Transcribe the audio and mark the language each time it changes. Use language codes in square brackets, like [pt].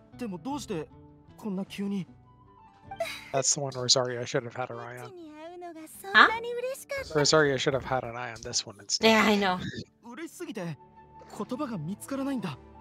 [ja] でもどうしてこんな急に? [en] That's the one Rosario should have had her eye on. Huh? Rosario should have had an eye on this one instead. Yeah, I know. [ja] 嬉しすぎて言葉が見つからないんだ.